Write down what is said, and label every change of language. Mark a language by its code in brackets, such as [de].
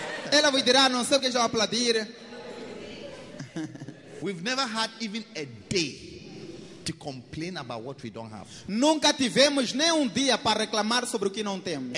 [pt] Ela vai dizer, não sei o que estão a aplaudir. [en] We've never had even a day to complain about what we don't have. [pt] Nunca tivemos nem um dia para reclamar sobre o que não temos.